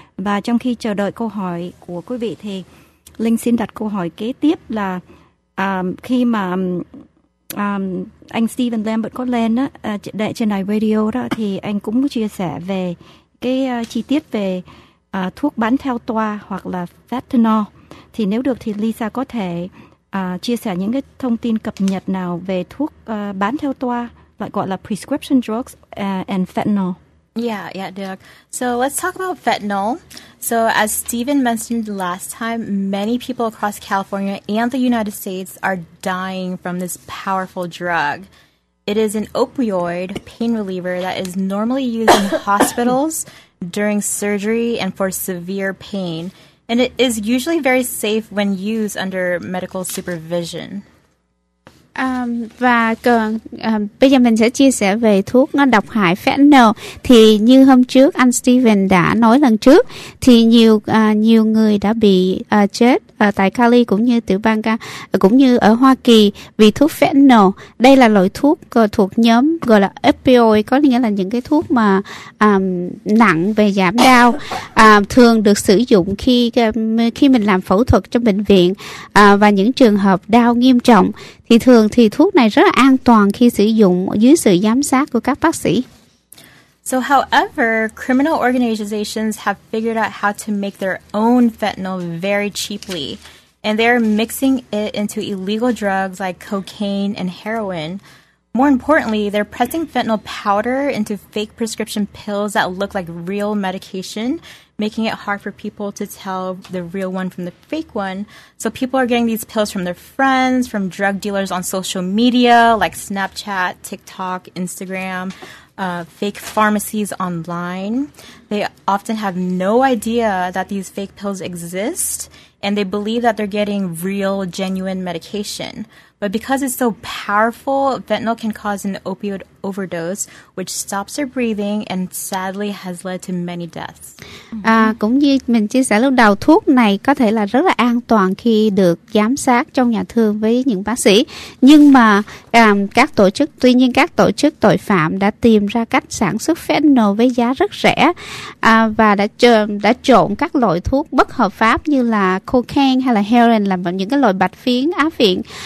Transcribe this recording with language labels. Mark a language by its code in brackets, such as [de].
[vi] Và trong khi chờ đợi câu hỏi của quý vị thì Linh xin đặt câu hỏi kế tiếp là khi mà anh Stephen Lambert có lên đó, trên đài radio đó, thì anh cũng chia sẻ về cái chi tiết về thuốc bán theo toa hoặc là fentanyl. Thì nếu được thì Lisa có thể chia sẻ những cái thông tin cập nhật nào về thuốc bán theo toa, lại gọi là [en] prescription drugs and fentanyl. Yeah, Doug. So let's talk about fentanyl. So as Stephen mentioned last time, many people across California and the United States are dying from this powerful drug. It is an opioid pain reliever that is normally used in hospitals during surgery and for severe pain. And it is usually very safe when used under medical supervision. [vi] Và bây giờ mình sẽ chia sẻ về thuốc nó độc hại fentanyl. Thì như hôm trước anh Steven đã nói lần trước thì nhiều người đã bị chết tại Cali cũng như tiểu bang cũng như ở Hoa Kỳ vì thuốc fentanyl. Đây là loại thuốc thuộc nhóm gọi là opioid, có nghĩa là những cái thuốc mà nặng về giảm đau, thường được sử dụng khi mình làm phẫu thuật trong bệnh viện và những trường hợp đau nghiêm trọng. Thì thường thì thuốc này rất là an toàn khi sử dụng dưới sự giám sát của các bác sĩ. [en] So however, criminal organizations have figured out how to make their own fentanyl very cheaply, and they're mixing it into illegal drugs like cocaine and heroin. More importantly, they're pressing fentanyl powder into fake prescription pills that look like real medication, making it hard for people to tell the real one from the fake one. So people are getting these pills from their friends, from drug dealers on social media like Snapchat, TikTok, Instagram, fake pharmacies online. They often have no idea that these fake pills exist, and they believe that they're getting real, genuine medication. But because it's so powerful, fentanyl can cause an opioid overdose, which stops their breathing and sadly has led to many deaths. [vi] Cũng như mình chia sẻ lúc đầu, thuốc này có thể là rất là an toàn khi được giám sát trong nhà thương với những bác sĩ. Nhưng mà các tổ chức tội phạm đã tìm ra cách sản xuất fentanyl với giá rất rẻ và đã trộn các loại thuốc bất hợp pháp như là cocaine hay là heroin làm vào những cái loại bạch phiến, á phiện.